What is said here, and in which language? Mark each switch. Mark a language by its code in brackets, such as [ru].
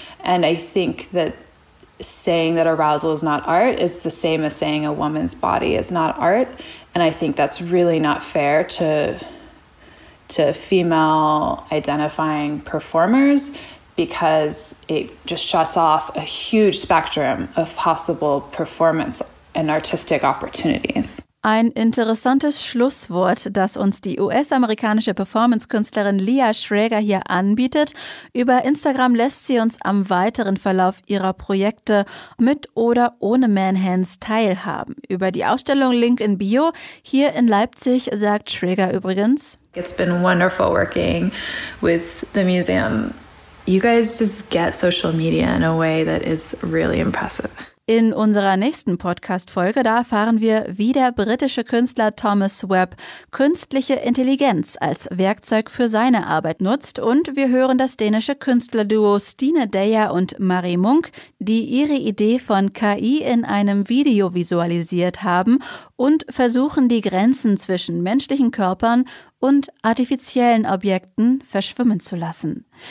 [en] And I think that saying that arousal is not art is the same as saying a woman's body is not art. And I think that's really not fair to female identifying performers, because it just shuts off a huge spectrum of possible performance and artistic opportunities. [de] Ein interessantes Schlusswort, das uns die US-amerikanische Performance-Künstlerin Lia Schrager hier anbietet. Über Instagram lässt sie uns am weiteren Verlauf ihrer Projekte mit oder ohne Manhands teilhaben. Über die Ausstellung Link in Bio hier in Leipzig sagt Schrager übrigens: [en] It's been wonderful working with the museum. You guys just get social media in a way that is really impressive. [de] In unserer nächsten Podcast-Folge, da erfahren wir, wie der britische Künstler Thomas Webb künstliche Intelligenz als Werkzeug für seine Arbeit nutzt. Und wir hören das dänische Künstlerduo Stine Deyer und Marie Munk, die ihre Idee von KI in einem Video visualisiert haben und versuchen, die Grenzen zwischen menschlichen Körpern und artifiziellen Objekten verschwimmen zu lassen.